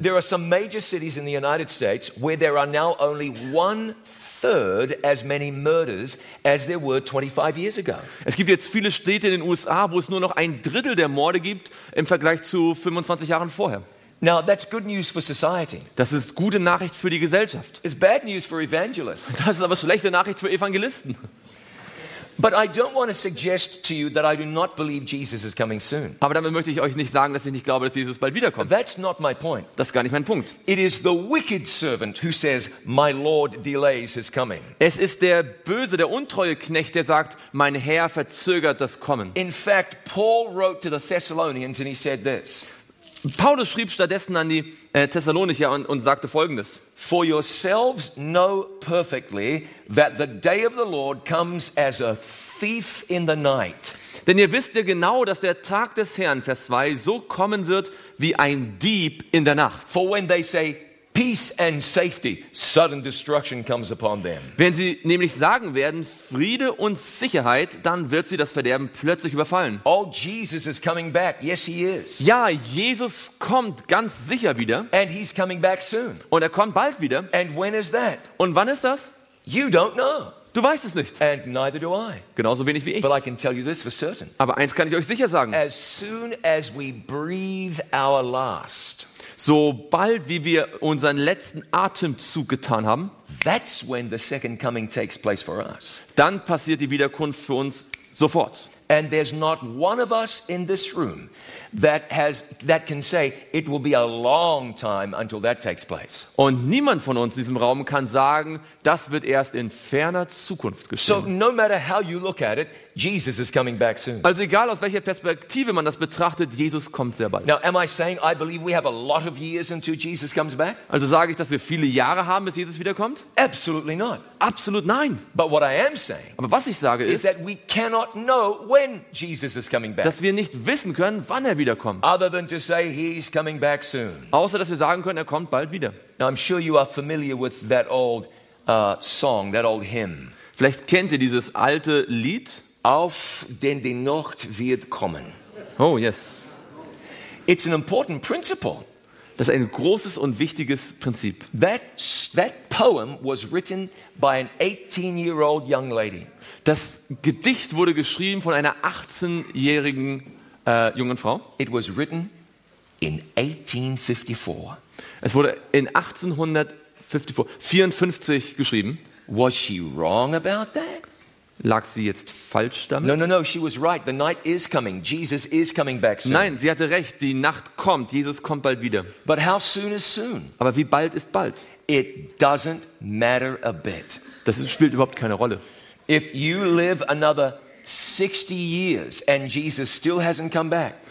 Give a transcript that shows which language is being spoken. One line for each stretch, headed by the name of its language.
English: There are some major cities in the United States where there are now only 1/3 as many murders as there were 25 years ago.
German: Es gibt jetzt viele Städte in den USA, wo es nur noch ein Drittel der Morde gibt im Vergleich zu 25 Jahren vorher.
English: Now that's good news for society.
German: Das ist gute Nachricht für die Gesellschaft.
English: It's bad news for evangelists.
German: Das ist aber schlechte Nachricht für Evangelisten.
English: But I don't want to suggest to you that I do not believe Jesus is coming soon.
German: Aber damit möchte ich euch nicht sagen, dass ich nicht glaube, dass Jesus bald wiederkommt.
English: That's not my point.
German: Das ist gar nicht mein Punkt.
English: It is the wicked servant who says, "My Lord delays his coming."
German: Es ist der böse, der untreue Knecht, der sagt, mein Herr verzögert das Kommen.
English: In fact, Paul wrote to the Thessalonians and he said this.
German: Paulus schrieb stattdessen an die Thessalonicher und sagte Folgendes:
English: For yourselves know perfectly that the day of the Lord comes as a thief in the night.
German: Denn ihr wisst ja genau, dass der Tag des Herrn, Vers 2, so kommen wird wie ein Dieb in der Nacht.
English: For when they say peace and safety, sudden destruction comes upon them.
German: Wenn sie nämlich sagen werden Friede und Sicherheit, dann wird sie das Verderben plötzlich überfallen.
English: Oh, Jesus is coming back. Yes, he is.
German: Ja, Jesus kommt ganz sicher wieder.
English: And he's coming back soon.
German: Und er kommt bald wieder.
English: And when is that?
German: Und wann ist das?
English: You don't know.
German: Du weißt es nicht.
English: And neither do I.
German: Genauso wenig wie ich.
English: But I can tell you this for certain.
German: Aber eins kann ich euch sicher sagen.
English: As soon as we breathe our last.
German: Sobald wie wir unseren letzten Atemzug getan haben,
English: that's when the second coming takes place for us.
German: Dann passiert die Wiederkunft für uns sofort.
English: And there's not one of us in this room that can say it will be a long time until that takes place.
German: Und niemand von uns in diesem Raum kann sagen, das wird erst in ferner Zukunft geschehen.
English: So no matter how you look at it, Jesus is coming back soon.
German: Also egal aus welcher Perspektive man das betrachtet, Jesus kommt sehr bald.
English: Now am I saying I believe we have a lot of years until Jesus comes back?
German: Also sage ich, dass wir viele Jahre haben, bis Jesus wiederkommt?
English: Absolutely not.
German: Absolut nein.
English: But what I am saying,
German: aber was ich sage ist,
English: is that we cannot know when Jesus is coming back.
German: Dass wir nicht wissen können, wann er wiederkommt.
English: Other than to say he's coming back soon.
German: Außer dass wir sagen können, er kommt bald wieder.
English: Now I'm sure you are familiar with that old song, that old hymn.
German: Vielleicht kennt ihr dieses alte Lied. Auf, denn die Nacht wird kommen.
English: Oh, yes. It's an important principle.
German: Das ist ein großes und wichtiges Prinzip.
English: That poem was written by an 18-year-old young lady.
German: Das Gedicht wurde geschrieben von einer 18-jährigen jungen Frau.
English: It was written in 1854.
German: Es wurde in 1854 geschrieben.
English: Was she wrong about that?
German: Lag sie jetzt falsch damit?
English: No, she was right. The night is coming. Jesus is coming back soon.
German: Nein, sie hatte recht. Die Nacht kommt. Jesus kommt bald wieder.
English: But how soon is soon?
German: Aber wie bald ist bald?
English: It doesn't matter a bit.
German: Das spielt überhaupt keine Rolle.
English: If you live another 60 years and Jesus still hasn't come back.